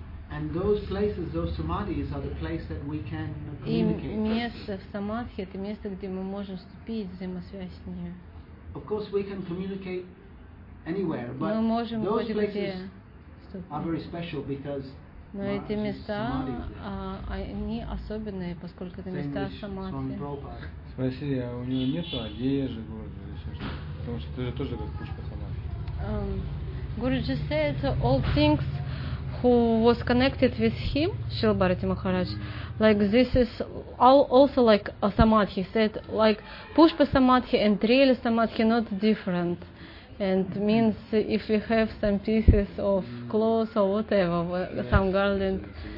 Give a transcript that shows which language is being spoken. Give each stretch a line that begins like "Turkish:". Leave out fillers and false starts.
English: And those places, those samadhis, are the place that we can communicate.
Russian: И место в самадхи — это место, где мы можем вступить в взаимосвязь с ними.
English: Of course, we can communicate anywhere, but those places are very special because.
Russian: Но эти места, они особенные, поскольку это места самадхи. Спроси, а у него нет одежды, Гуруджи, или еще что? Потому что это же тоже как пушка самадхи.
English: Гуруджи says all things. Who was connected with him, Srila Bharati Maharaj, like this is all also like a samadhi. He said like Pushpa Samadhi and Trail Samadhi not different, and means if we have some pieces of clothes or whatever, yes, some garland.